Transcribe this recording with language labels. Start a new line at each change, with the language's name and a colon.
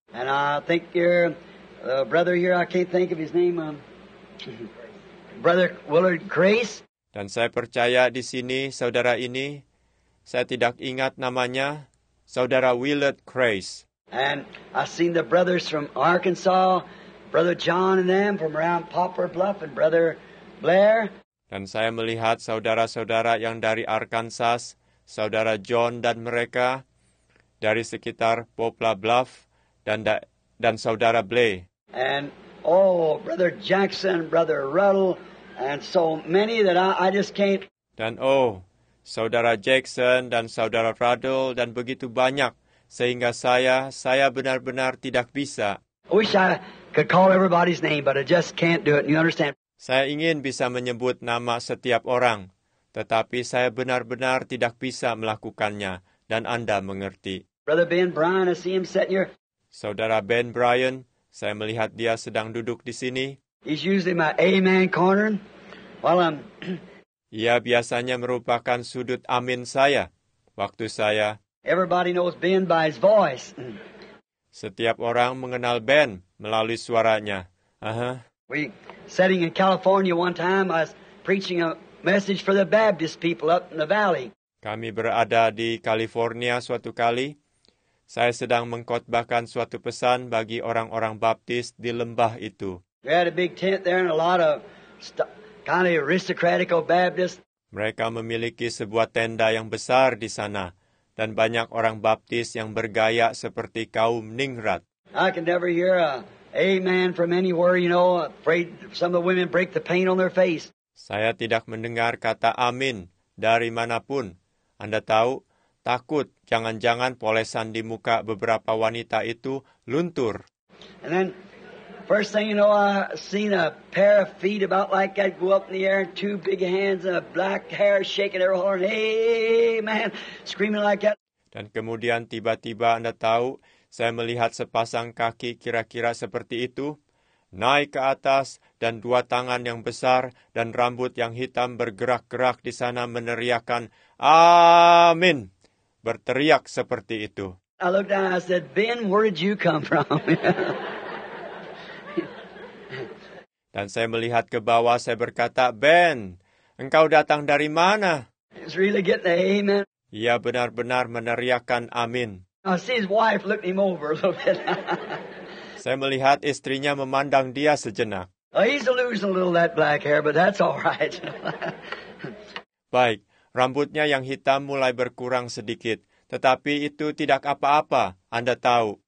English: And I think your brother here, I can't think of his name. Brother Willard Grace.
Indonesian: Dan saya percaya di sini saudara ini, saya tidak ingat namanya, Saudara Willard Grace.
English: And I've seen the brothers from Arkansas, Brother John and them from around Poplar Bluff and Brother Blair.
Indonesian: Dan saya melihat saudara-saudara yang dari Arkansas, Saudara John dan mereka dari sekitar Poplar Bluff dan Saudara Blair.
English: And oh, Brother Jackson, Brother Ruddle, and so many that I just can't.
Indonesian: Dan oh, Saudara Jackson dan Saudara Ruddle dan begitu banyak sehingga saya benar-benar tidak bisa.
English: I wish I could call everybody's name, but I just can't do it. You understand?
Indonesian: Saya ingin bisa menyebut nama setiap orang, tetapi saya benar-benar tidak bisa melakukannya, dan Anda mengerti.
English: Brother Ben Bryan, I see him sitting here.
Indonesian: Saudara Ben Bryan, saya melihat dia sedang duduk di sini.
English: He's usually my amen corner. While I'm.
Indonesian: Ia biasanya merupakan sudut amin saya waktu saya.
English: Everybody knows Ben by his voice.
Indonesian: Setiap orang mengenal Ben melalui suaranya.
English: We sitting in California one time, I was preaching a message for the Baptist people up in the valley.
Indonesian: Kami berada di California suatu kali. Saya sedang mengkhotbahkan suatu pesan bagi orang-orang Baptis di lembah itu.
English: We had a big tent there and a lot of kind of aristocratical Baptists.
Indonesian: Mereka memiliki sebuah tenda yang besar di sana dan banyak orang Baptis yang bergaya seperti kaum Ningrat.
English: I can never hear a amen from anywhere, you know, afraid some of the women break the paint on their face.
Indonesian: Saya tidak mendengar kata amin dari manapun. Anda tahu, takut jangan-jangan polesan di muka beberapa wanita itu luntur.
English: And then, first thing you know, I seen a pair of feet about like that go up in the air, and two big hands and a black hair shaking their horn, amen, screaming like that.
Indonesian: Dan kemudian tiba-tiba Anda tahu, saya melihat sepasang kaki kira-kira seperti itu, naik ke atas dan dua tangan yang besar dan rambut yang hitam bergerak-gerak di sana meneriakkan amin, berteriak seperti itu.
English: I looked down and I said, Ben, where did you come from?
Indonesian: Dan saya melihat ke bawah, saya berkata, Ben, engkau datang dari mana?
English: He's really getting the amen.
Indonesian: Ia benar-benar meneriakkan amin.
English: I see his wife looking him over a little bit.
Indonesian: Saya melihat istrinya memandang dia sejenak.
English: He's losing a little of that black hair, but that's all right.
Indonesian: Baik, rambutnya yang hitam mulai berkurang sedikit, tetapi itu tidak apa-apa, Anda tahu.